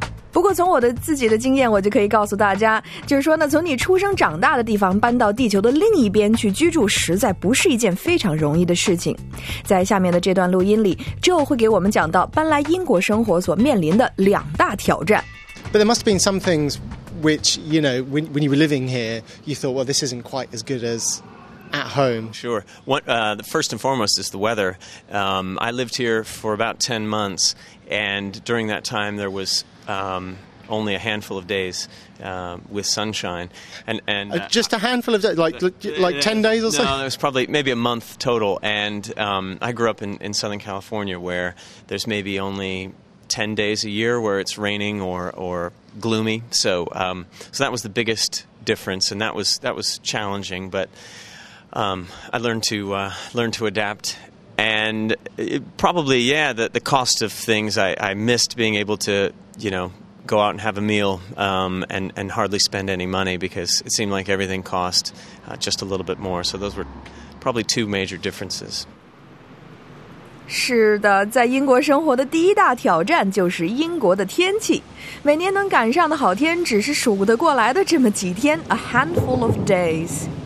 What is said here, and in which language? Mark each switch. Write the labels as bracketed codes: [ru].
[zh] 不过从我的自己的经验，我就可以告诉大家，就是说呢，从你出生长大的地方搬到地球的另一边去居住，实在不是一件非常容易的事情。在下面的这段录音里， Joe 会给我们讲到搬来英国生活所面临的两大挑战。 [en] But there must have been some things which, you know, when you were living here, you thought, well, this isn't quite as good as at home. Sure. The first and foremost is the weather. I lived here for about 10 months, and during that time there was... only a handful of days with sunshine. And just a handful of days? Like 10 days or no, so? No, it was probably maybe a month total. And I grew up in Southern California where there's maybe only 10 days a year where it's raining or gloomy. So so that was the biggest difference, and that was challenging. But I learned to adapt. And it probably, yeah, the cost of things, I missed being able to, you know, go out and have a meal and hardly spend any money because it seemed like everything cost just a little bit more. So those were probably two major differences. [zh] 是的，在英国生活的第一大挑战就是英国的天气。每年能赶上的好天只是数得过来的这么几天 ， [en] a handful of days。